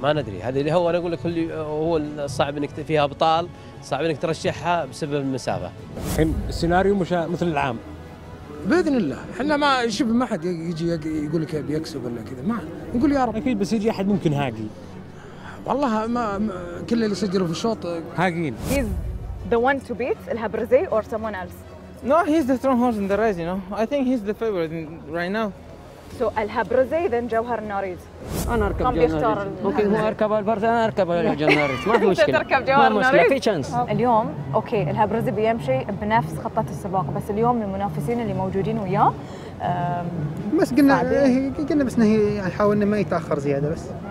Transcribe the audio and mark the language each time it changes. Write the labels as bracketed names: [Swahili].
[Arabic] ما ندري، هذا اللي هو أنا أقول لك، اللي هو الصعب إنك فيها أبطال، صعب إنك ترشحها بسبب المسافة. الحين السيناريو مش مثل العام. بإذن الله، إحنا ما شوف ما حد يجي يقولك بيكسب ولا كذا، ما نقول يا رب. أكيد بس يجي أحد ممكن هاقي. والله ما كل اللي سجلوا في الشوط هاقين. [English] He's the one to beat الهبرزي or someone else. No, he's the strong horse in the race. You know, I think he's the favorite right now. So الهبرزي then جوهر الناريز. [Arabic] أنا أركب جوهر الناريز. ممكن هو أركب البرز، أنا أركب جوهر الناريز. ما في مشكلة. تركب جوهر الناريز. ما مشكلة. في تشانس. اليوم أوكي الهبرزي بيمشي بنفس خطة السباق، بس اليوم المنافسين اللي موجودين وياه. بس قلنا بس إنه يحاول إنه ما يتأخر زيادة بس.